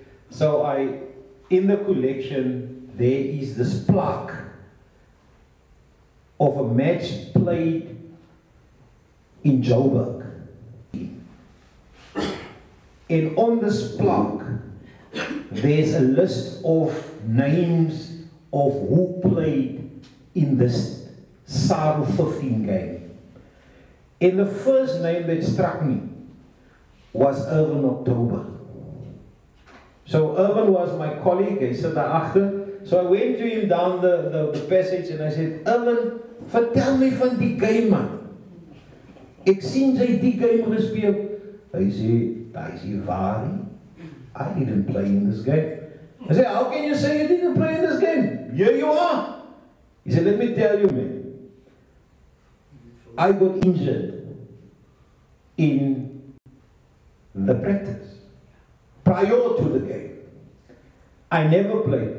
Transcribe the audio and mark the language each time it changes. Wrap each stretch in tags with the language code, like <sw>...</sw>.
<en>So I, in the collection, there is this plaque of a match played in Joburg, and on this plaque there's a list of names of who played in this SARU 15 game, and the first name that struck me was Irvin October. So Irvin was my colleague, he sat</en> <af>daar achter.</af> <en>So I went to him down the passage and I said, Irvin,</en> <af>vertel me van die game, man. Ek sien jy die game gespeel. Hy sê, "Daai is waar.</af> <en>I didn't play in this game." I said, "How can you say you didn't play in this game? Here you are." He said, "Let me tell you, man. I got injured in the practice prior to the game. I never played."</en>